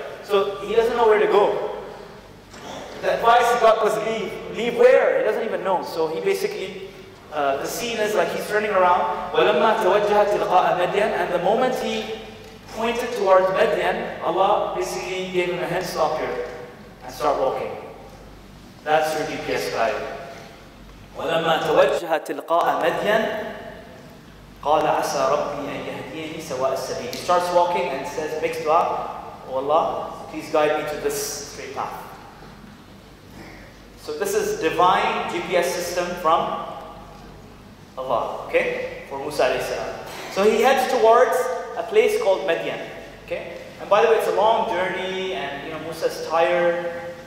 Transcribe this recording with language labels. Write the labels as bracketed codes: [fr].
[en] So he doesn't know where to go. The advice he got was leave. Leave where? He doesn't even know. So he basically, the scene is like he's turning around. [ar] وَلَمَّا تَوَجَّهَ تِلْقَاءَ مَدْيَنَ [en] And the moment he pointed towards Madian, Allah basically gave him a hint, stop here and start walking. That's your GPS guide. [ar] وَلَمَّا تَوَجَّهَ تِلْقَاءَ مَدْيَنَ قَالَ عَسَى رَبِّي أَنْ يَهْدِيَنِي سَوَاءَ السَّبِيلِ [en] He starts walking and says, makes dua. Oh Allah, please guide me to this straight path. So this is divine GPS system from Allah, okay? For Musa alayhi salam. So he heads towards a place called Madian, okay? And by the way, it's a long journey and Musa's tired.